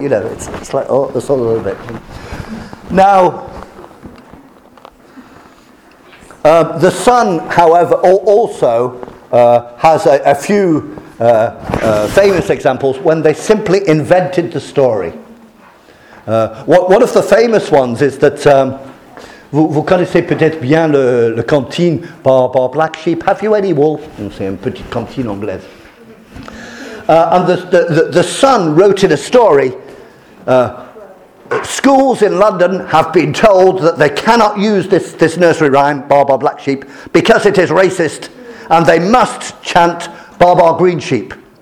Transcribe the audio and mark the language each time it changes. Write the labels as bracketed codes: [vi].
[en] You know, it's like, oh, it's all a little bit. Now, the Sun, however, also has a few famous examples when they simply invented the story. One of the famous ones is that. [fr] Vous connaissez peut-être bien le cantine par Black Sheep. [en] Have you any wool? [fr] C'est une petite cantine anglaise. [en] And the Sun wrote in a story, schools in London have been told that they cannot use this nursery rhyme, Bar Bar Black Sheep, because it is racist, and they must chant Bar Bar Green Sheep.